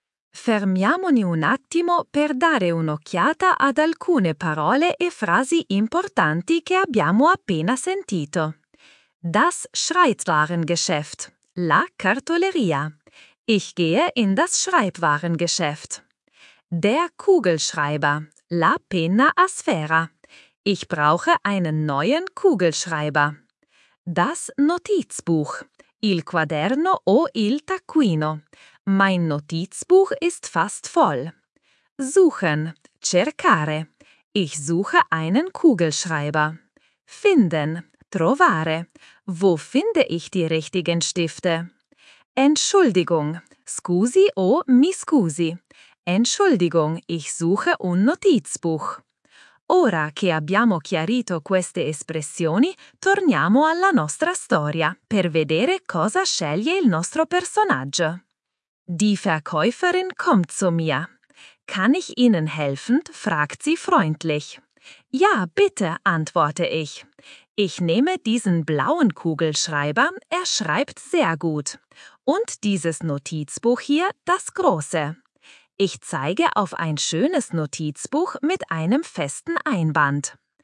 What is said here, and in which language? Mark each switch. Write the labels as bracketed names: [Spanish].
[Italian] Fermiamoni un attimo per dare un'occhiata ad alcune parole e frasi importanti che abbiamo appena sentito. [German] Das Schreibwarengeschäft. [Italian] La cartoleria. [German] Ich gehe in das Schreibwarengeschäft. Der Kugelschreiber. [Italian] La penna a sfera. [German] Ich brauche einen neuen Kugelschreiber. Das Notizbuch. [Italian] Il quaderno o il taccuino. [German] Mein Notizbuch ist fast voll. Suchen. Cercare. Ich suche einen Kugelschreiber. Finden. Trovare. Wo finde ich die richtigen Stifte? [Italian] Entschuldigung. Scusi o mi scusi. [German] Entschuldigung, ich suche un Notizbuch. [Italian] Ora che abbiamo chiarito queste espressioni, torniamo alla nostra storia per vedere cosa sceglie il nostro personaggio. [German] Die Verkäuferin kommt zu mir. Kann ich Ihnen helfen? Fragt sie freundlich. Ja, bitte, antworte ich. Ich nehme diesen blauen Kugelschreiber, er schreibt sehr gut. Und dieses Notizbuch hier, das große. Ich zeige auf ein schönes Notizbuch mit einem festen Einband.